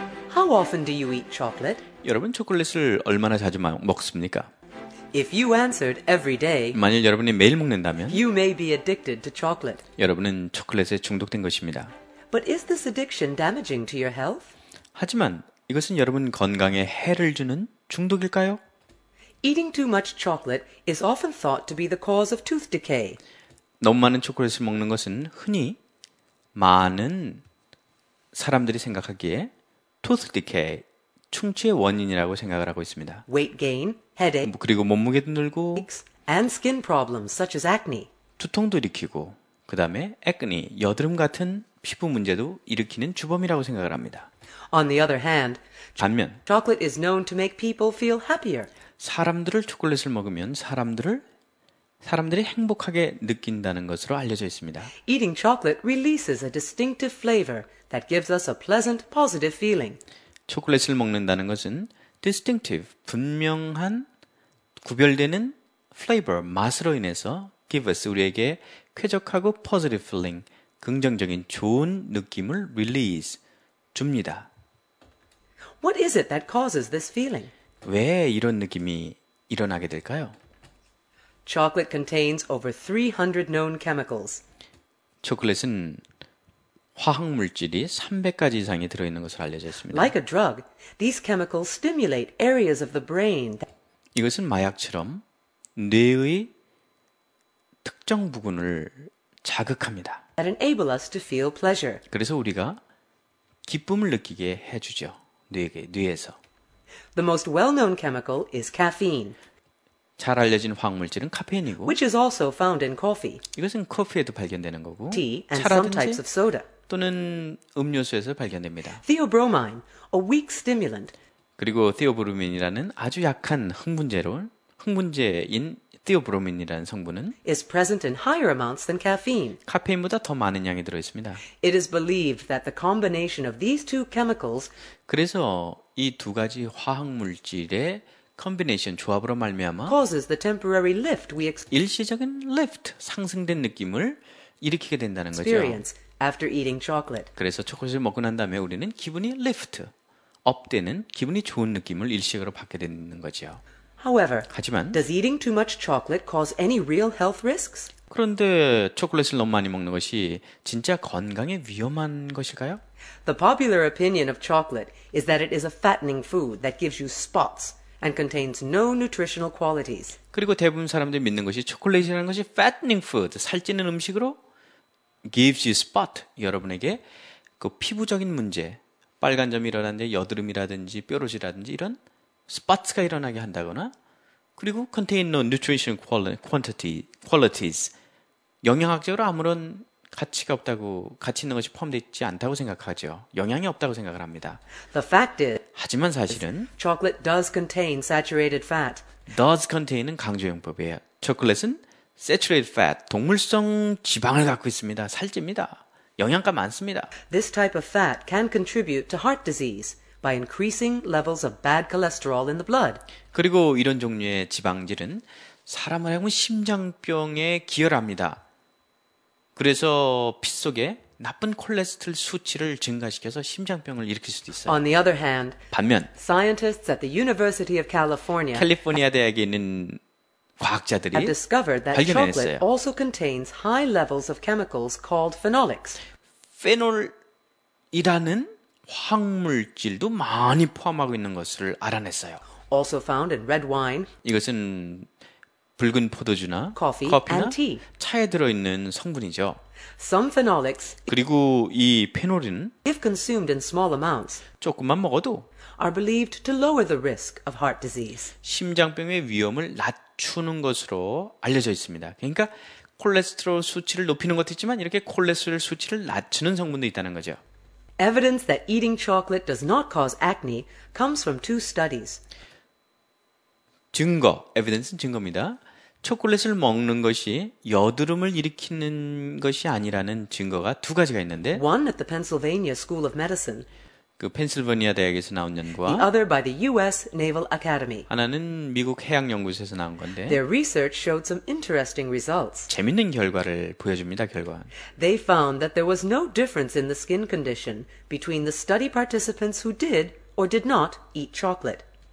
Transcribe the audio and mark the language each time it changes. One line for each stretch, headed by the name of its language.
English: How often do you eat chocolate?
Korean: 여러분 초콜릿을 얼마나 자주 먹습니까?
English: If you answered every day,
Korean: 만일 여러분이 매일 먹는다면,
English: you may be addicted to chocolate.
Korean: 여러분은 초콜릿에 중독된 것입니다.
English: But is this addiction damaging to your health?
Korean: 하지만 이것은 여러분 건강에 해를 주는 중독일까요?
English: Eating too much chocolate is often thought to be the cause of tooth decay.
Korean: 너무 많은 초콜릿을 먹는 것은 흔히 많은 사람들이 생각하기에
English: tooth decay,
Korean: 충치의 원인이라고 생각을 하고 있습니다.
English: Weight gain, headache,
Korean: 그리고 몸무게도 늘고
English: and skin problems such as acne.
Korean: 두통도 일으키고 그다음에 acne, 여드름 같은 피부 문제도 일으키는 주범이라고 생각을 합니다.
English: On the other hand,
Korean: 반면,
English: chocolate is known to make people feel happier.
Korean: 사람들을 초콜릿을 먹으면 사람들이 행복하게 느낀다는 것으로 알려져 있습니다.
English: Eating chocolate releases a distinctive flavor that gives us a pleasant, positive feeling.
Korean: 초콜릿을 먹는다는 것은 distinctive, 분명한, 구별되는 flavor, 맛으로 인해서
English: give us,
Korean: 우리에게 쾌적하고
English: positive feeling,
Korean: 긍정적인 좋은 느낌을 release, 줍니다.
English: What is it that causes this feeling?
Korean: 왜 이런 느낌이 일어나게 될까요?
English: Chocolate contains over 300 known chemicals.
Korean: 초콜릿은 화학 물질이 300가지 이상이 들어 있는 것으로 알려져 있습니다.
English: Like a drug, these chemicals stimulate areas of the brain.
Korean: 이것은 마약처럼 뇌의 특정 부분을 자극합니다.
English: That enable us to feel pleasure.
Korean: 그래서 우리가 기쁨을 느끼게 해주죠. 뇌에서.
English: The most well-known chemical is caffeine.
Korean: 잘 알려진 화학물질은 카페인이고,
English: which is also found in coffee.
Korean: 이것은 커피에도 발견되는 거고,
English: tea and some types of soda.
Korean: 또는 음료수에서 발견됩니다.
English: Theobromine, a weak stimulant.
Korean: 그리고 theobromine이라는 아주 약한 흥분제인 theobromine이라는 성분은
English: is present in higher amounts than caffeine.
Korean: 카페인보다 더 많은 양이 들어 있습니다.
English: It is believed that the combination of these two chemicals
Korean: 그래서 이 두 가지 화학 물질의 combination 조합으로 말미암아
English: causes the temporary lift we experience.
Korean: 일시적인 lift, 상승된 느낌을 일으키게 된다는 거죠.
English: Experience after eating chocolate.
Korean: 그래서 초콜릿을 먹고 난 다음에 우리는 기분이 lift, 업되는 기분이 좋은 느낌을 일시적으로 받게 되는 거죠.
English: However,
Korean: 하지만,
English: does eating too much chocolate cause any real health risks?
Korean: 그런데 초콜릿을 너무 많이 먹는 것이 진짜 건강에 위험한 것일까요?
English: The popular opinion of chocolate is that it is a fattening food that gives you spots and contains no nutritional qualities.
Korean: 그리고 대부분 사람들이 믿는 것이 초콜릿이라는 것이
English: fattening food,
Korean: 살찌는 음식으로
English: gives you spot,
Korean: 여러분에게 그 피부적인 문제, 빨간 점이 일어나는데 여드름이라든지 뾰루지라든지 이런 스팟츠가 일어나게 한다거나 그리고
English: contain no nutrition qualities
Korean: 영양학적으로 아무런 가치가 없다고 가치 있는 것이 포함되지 않다고 생각하죠. 영양이 없다고 생각을 합니다.
English: The fact is,
Korean: 하지만 사실은
English: chocolate does contain saturated fat. Does contain
Korean: 은 강조형법이에요. 초콜릿은
English: saturated fat,
Korean: 동물성 지방을 갖고 있습니다. 살찝니다. 영양가 많습니다.
English: This type of fat can contribute to heart disease by increasing levels of bad cholesterol in the blood.
Korean: 그리고 이런 종류의 지방질은 사람을 향한 심장병에 기여합니다. 그래서 피 속에 나쁜 콜레스테롤 수치를 증가시켜서 심장병을 일으킬 수도 있어요.
English: On the other hand,
Korean: 반면
English: scientists at the University of California
Korean: 캘리포니아 대학에 있는 과학자들이
English: have discovered that
Korean: 발견했어요.
English: chocolate also contains high levels of chemicals called phenolics.
Korean: 페놀이라는 화학물질도 많이 포함하고 있는 것을 알아냈어요.
English: Also found in red wine.
Korean: 이것은 붉은 포도주나
English: coffee,
Korean: 커피나
English: and tea.
Korean: 차에 들어 있는 성분이죠.
English: Some phenolics,
Korean: 그리고 이 페놀은
English: if consumed in small amounts,
Korean: 조금만 먹어도
English: are believed to lower the risk of heart disease.
Korean: 심장병의 위험을 낮추는 것으로 알려져 있습니다. 그러니까 콜레스테롤 수치를 높이는 것도 있지만 이렇게 콜레스테롤 수치를 낮추는 성분도 있다는 거죠.
English: Evidence that eating chocolate does not cause acne comes from two studies.
Korean: 증거, evidence는 증거입니다. 초콜릿을 먹는 것이 여드름을 일으키는 것이 아니라는 증거가 두 가지가 있는데
English: One at the Pennsylvania School of Medicine.
Korean: 그 펜실베니아 대학에서 나온 연구와
English: The other by the US Naval Academy.
Korean: 하나는 미국 해양 연구소에서 나온 건데
English: Their research showed some interesting results.
Korean: 재밌는 결과를 보여줍니다. 결과는
English: They found that there was no difference in the skin condition between the study participants who did or did not eat chocolate.